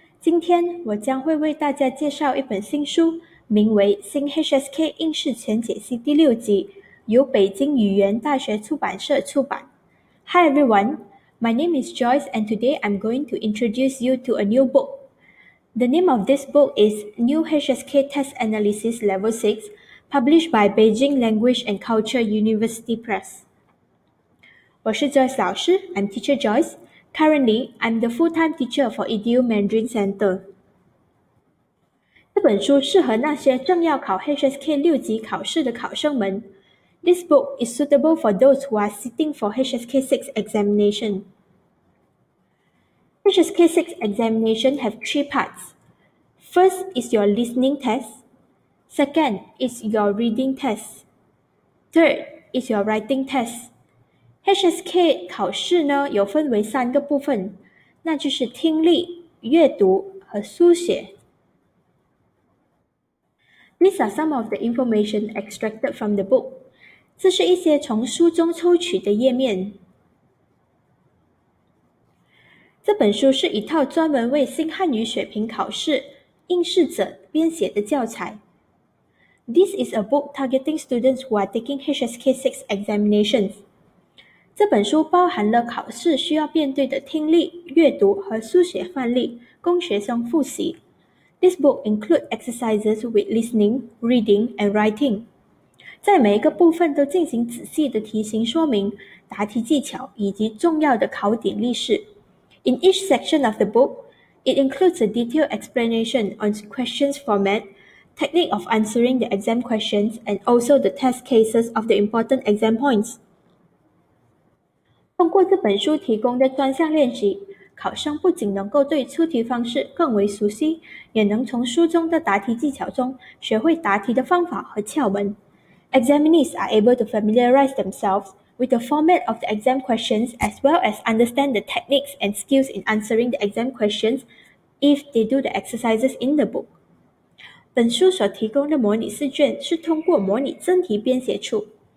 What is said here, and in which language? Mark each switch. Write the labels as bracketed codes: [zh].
[zh] 今天我将会为大家介绍一本新书，名为《新 HSK 应试全解析第六集》，由北京语言大学出版社出版。 [en] Hi everyone, my name is Joyce and today I'm going to introduce you to a new book. The name of this book is New HSK Test Analysis Level 6, published by Beijing Language and Culture University Press. [zh] 我是 Joyce 老师， [en] I'm Teacher Joyce. Currently, I'm the full-time teacher for EDU Mandarin Center. [zh] 这本书适合那些正要考 HSK 六级考试的考生们。 [en] This book is suitable for those who are sitting for HSK 6 examination. HSK 6 examination have three parts. First is your listening test. Second is your reading test. Third is your writing test. [zh] HSK 考试呢有分为三个部分，那就是听力、阅读和书写。 [en] These are some of the information extracted from the book. [zh] 这是一些从书中抽取的页面。这本书是一套专门为新汉语水平考试应试者编写的教材。 [en] This is a book targeting students who are taking HSK 6 examinations. [zh] 这本书包含了考试需要面对的听力、阅读和书写范例，供学生复习。 [en] This book includes exercises with listening, reading, and writing. [zh] 在每一个部分都进行仔细的题型说明、答题技巧以及重要的考点例示。 [en] In each section of the book, it includes a detailed explanation on questions format, technique of answering the exam questions, and also the test cases of the important exam points. [zh] 通过这本书提供的专项练习，考生不仅能够对出题方式更为熟悉，也能从书中的答题技巧中学会答题的方法和窍门。 [en] Examinees are able to familiarize themselves with the format of the exam questions as well as understand the techniques and skills in answering the exam questions if they do the exercises in the book. [zh] 本书所提供的模拟试卷是通过模拟真题编写出。